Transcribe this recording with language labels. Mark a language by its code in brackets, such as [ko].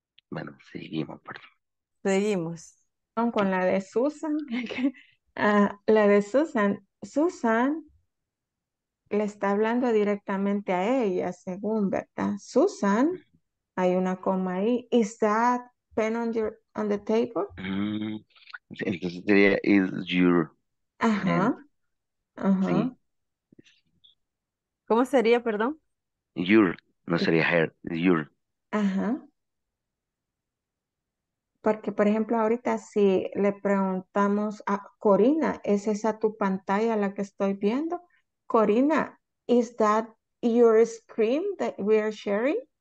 [es] Bueno, seguimos, perdón. Seguimos. Con la de Susan. La de Susan. Susan le está hablando directamente a ella, según, ¿verdad? Susan, hay una coma ahí. [en] Is that pen on your on the table? [es] Entonces sería [en] is your [es] ajá. Ajá. Sí. ¿Cómo sería, perdón? Your, no sería her, your. Ajá. Porque, por ejemplo, ahorita si le preguntamos a Corina, ¿es esa tu pantalla la que estoy viendo? [en] Corina, ¿is that your screen that we are sharing?